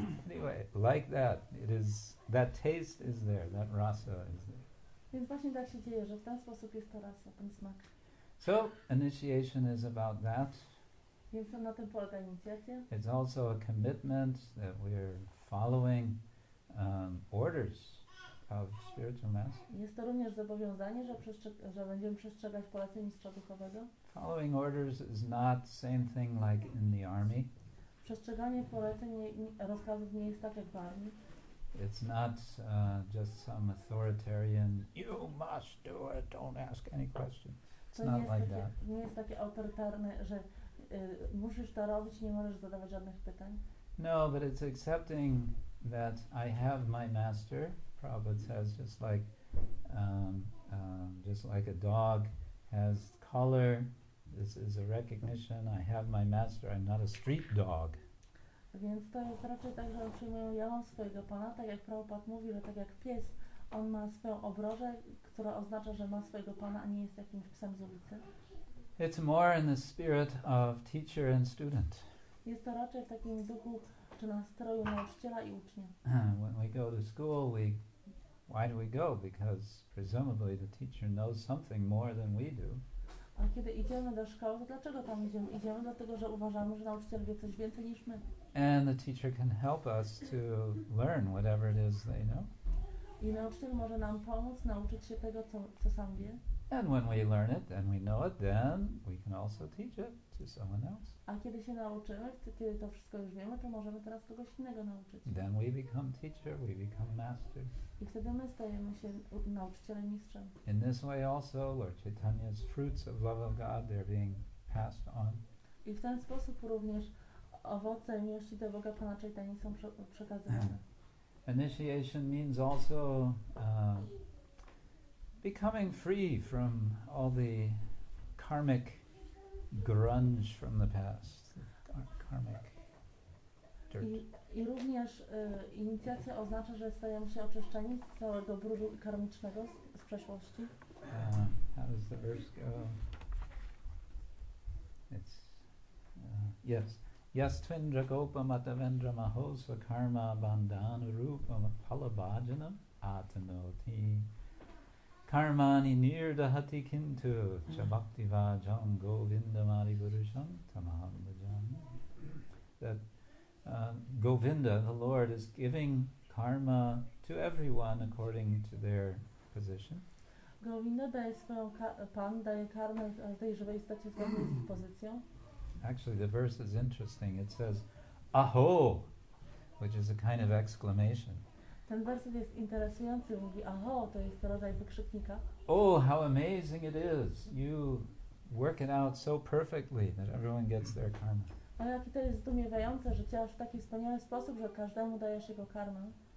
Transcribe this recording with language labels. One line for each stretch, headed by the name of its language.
English: Anyway, like that, it is that taste is there, that rasa is there.
Polish: Więc właśnie tak się dzieje, że w ten sposób jest ta rasa, ten smak.
English: So initiation is about that.
Polish: Więc na tym polega inicjacja.
English: It's also a commitment that we're following orders of spiritual master.
Polish: Jest to również zobowiązanie, że będziemy przestrzegać poleceń mistrza duchowego.
English: Following orders is not same thing like in the army.
Polish: Przestrzeganie poleceń rozkazów nie jest tak jak w armii.
English: It's not just some authoritarian, you must do it, don't ask any questions. It's not like that.
Polish: Nie jest takie autorytarne, że musisz to robić, nie możesz zadawać żadnych pytań.
English: No, but it's accepting that I have my master. Prabhupada says just like a dog has color. This is a recognition. I have my master. I'm not a street dog.
Polish: Więc to jest raczej tak, że przyjmuję ja mam swojego pana, tak jak Prabhupada mówi, że tak jak pies, on ma swoją obrożę, która oznacza, że ma swojego pana, a nie jest jakimś psem z ulicy.
English: It's more in the spirit of teacher and student.
Polish: Jest to raczej w takim duchu czy nastroju nauczyciela i ucznia.
English: When we go to school, why do we go? Because presumably the teacher knows something more than we do.
Polish: A kiedy idziemy do szkoły, to dlaczego tam idziemy? Idziemy dlatego, że uważamy, że nauczyciel wie coś więcej niż my.
English: And the teacher can help us to learn whatever it is they know.
Polish: I nauczyciel może nam pomóc nauczyć się tego, co sam wie.
English: And when we learn it and we know it, then we can also teach it to someone else.
Polish: A kiedy się nauczymy, kiedy to wszystko już wiemy, to możemy teraz kogoś innego nauczyć.
English: Then we become teacher, we become master.
Polish: I wtedy my stajemy się nauczycielem, mistrzem.
English: In this way also, Lord Chaitanya's fruits of love of God, they're being passed on.
Polish: I w ten sposób również owoce miłości do Boga Pana Chaitanyi są przekazywane.
English: Initiation means also becoming free from all the karmic grunge from the past, karmic dirt.
Polish: I również inicjacja oznacza, że stajemy się oczyszczeni z całego brudu karmicznego z przeszłości.
English: How does the verse go? It's yes.
Sanskrit: Yastvendra gopa matavendra maho svakarma bandhan rupa palabhajanam atanoti karmani nirdahati kintu cha bhakti vajam govindamari purusham tamaham bhajam.
English: That Govinda, the Lord, is giving karma to everyone according to their position.
Polish: Govinda daje swoją pan, daje karmę tej żywej istocie zgodnie z pozycją.
English: Actually, the verse is interesting. It says, aho, which is a kind of exclamation.
Polish: Ten werset jest interesujący. Mówi, aho, to jest rodzaj wykrzyknika.
English: Oh, how amazing it is. You work it out so perfectly that everyone gets their karma.
Polish: O, jakie to jest zdumiewające, że działasz w taki wspaniały sposób, że każdemu dajesz jego karmę.